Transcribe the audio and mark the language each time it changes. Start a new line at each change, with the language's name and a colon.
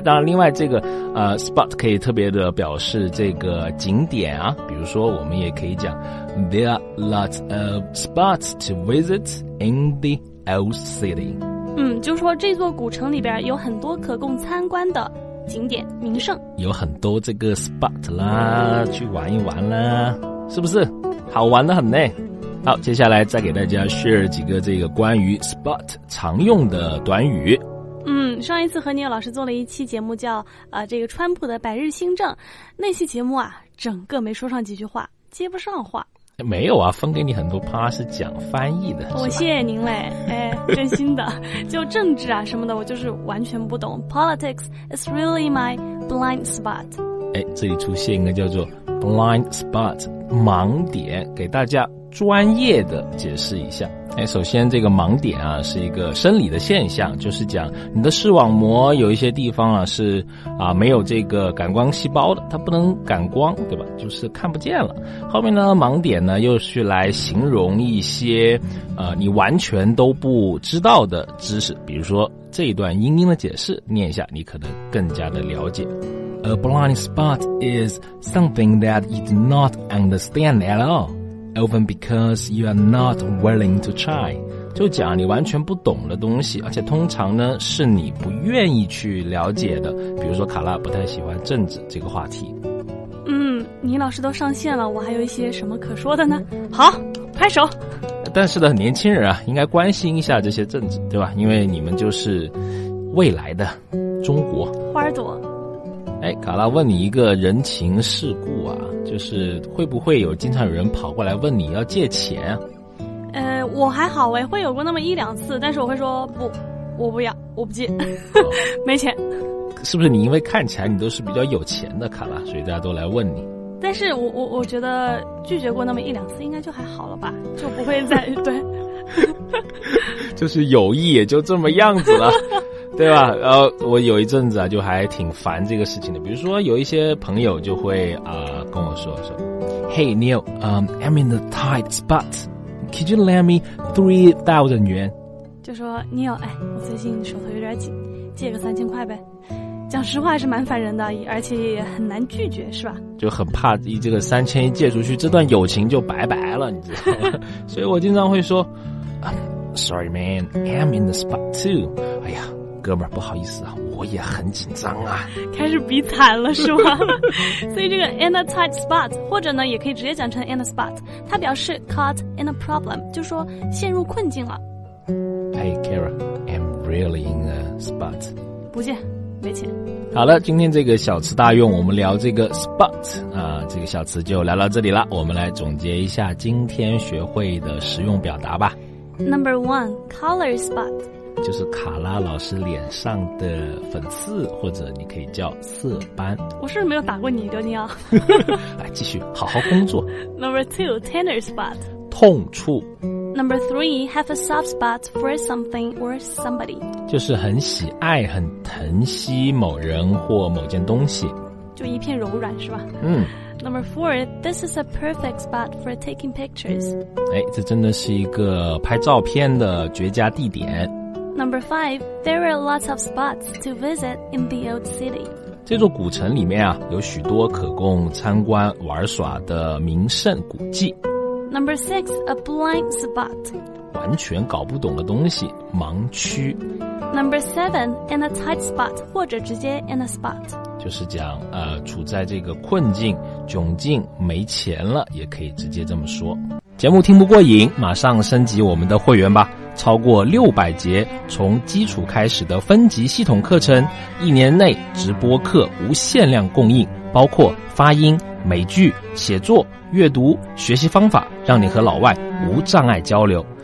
Chinese: 当然，另外这个spot 可以特别的表示这个景点啊。比如说，我们也可以讲
English: There are lots of spots to visit in the old city.
Chinese: 嗯，就说这座古城里边有很多可供参观的景点名胜，有很多这个 spot 啦，去玩一玩啦，是不是好玩得很呢？好，接下来再给大家 share 几个这个关于 spot 常用的短语。嗯，上一次和你老师做了一期节目叫这个川普的百日新政，那期节目啊整个没说上几句话，接不上话。没有啊，分给你很多趴是讲翻译的。我谢谢您嘞，哎，真心的。就政治啊什么的，我就是完全不懂。
English: Politics is really my blind spot。
Chinese: 哎，这里出现一个叫做 blind spot， 盲点，给大家专业的解释一下。哎，首先这个盲点啊是一个生理的现象，就是讲你的视网膜有一些地方啊是啊没有这个感光细胞的，它不能感光，对吧？就是看不见了。后面呢盲点呢又是来形容一些你完全都不知道的知识，比如说这一段英音的解释念一下，你可能更加的了解。
English: A blind spot is something that you do not understand at all. often because you are not willing to try.
Chinese: 就讲你完全不懂的东西，而且通常呢是你不愿意去了解的。比如说卡拉不太喜欢政治这个话题。倪老师都上线了，我还有一些什么可说的呢？好，拍手。但是呢，年轻人啊，应该关心一下这些政治，对吧？因为你们就是未来的中国花朵。哎，卡拉问你一个人情世故啊，就是会不会有经常有人跑过来问你要借钱？我还好哎，会有过那么一两次，但是我会说不，我不要，我不借，没钱。是不是你因为看起来你都是比较有钱的卡拉，所以大家都来问你？但是我觉得拒绝过那么一两次应该就还好了吧，就不会再对。就是友谊也就这么样子了，对吧？我有一阵子啊就还挺烦这个事情的。比如说有一些朋友就会跟我说
English: Hey Neil, I'm in the tight spot, could you lend me 3,000 yuan?
Chinese: 就说 Neil, 哎，我最近手头有点紧，借个3000块呗。讲实话是蛮烦人的，而且也很难拒绝，是吧？就很怕一这个3000一借出去，这段友情就拜拜了，你知道吗？所以我经常会说
English: Sorry man, I'm in the spot too.
Chinese: 哎呀，哥们儿，不好意思啊，我也很紧张啊。开始比惨了，是吗？所以这个 in a tight spot, 或者呢，也可以直接讲成 in a spot, 它表示
English: caught in a problem,
Chinese: 就说陷入困境了。
English: Hey, Kara, I'm really in a spot.
Chinese: 不借。没钱。好了，今天这个小词大用，我们聊这个 spot 啊，这个小词就聊到这里了。我们来总结一下今天学会的实用表达吧。
English: Number one, color spot,
Chinese: 就是卡拉老师脸上的粉刺，或者你可以叫色斑。我是不是没有打过你，刘尼奥？来，继续，好好工作。
English: Number two, tender spot,
Chinese: 痛处。
English: Number three, have a soft spot for something or somebody.
Chinese: 就是很喜爱、很疼惜某人或某件东西。就一片柔软，是吧？嗯。
English: Number four, this is a perfect spot for taking pictures.
Chinese: 哎，这真的是一个拍照片的绝佳地点。
English: Number five, there are lots of spots to visit in the old city.
Chinese: 这座古城里面啊，有许多可供参观玩耍的名胜古迹。
English: Number six, a blind spot.
Chinese: 完全搞不懂的东西，盲区。
English: Number seven, in a tight spot,
Chinese: 或者直接
English: in a spot.
Chinese: 就是讲处在这个困境、窘境、没钱了，也可以直接这么说。节目听不过瘾，马上升级我们的会员吧。超过600节从基础开始的分级系统课程，一年内直播课无限量供应，包括发音、美剧、写作、阅读、学习方法，让你和老外无障碍交流。